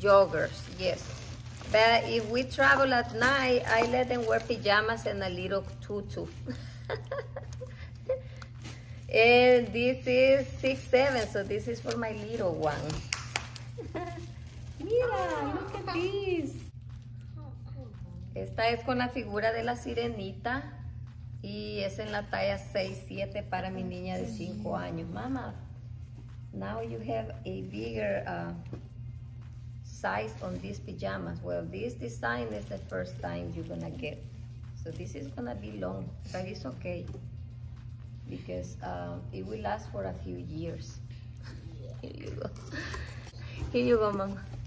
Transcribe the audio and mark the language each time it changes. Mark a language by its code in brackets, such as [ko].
[en] Joggers, yes. But if we travel at night, I let them wear pajamas and a little tutu. And this is 6'7", so this is for my little one. [es] Mira, [en] look at this. [es] Esta es con la figura de la sirenita. Y es en la talla 6'7" para mi niña de 5 años. [en] Mama, now you have a bigger size on these pajamas. Well, this design is the first time you're gonna get. So this is gonna be long, but it's okay. Because it will last for a few years. Here you go. Here you go, mama.